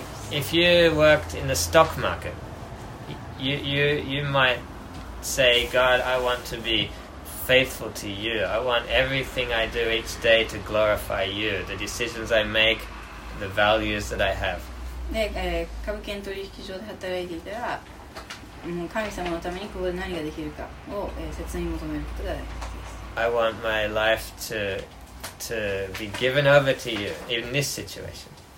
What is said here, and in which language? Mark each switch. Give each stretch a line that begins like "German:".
English: If you worked in the stock market, you might say, God, I want to be faithful to you. I want everything I do each day to glorify you, the decisions I make, the values that I have.
Japanese: で、株券取引所で働いていたら、もう神様のためにここで何ができるかを、切に求めることが大事です。
English: I want my life to be given over to you in this situation.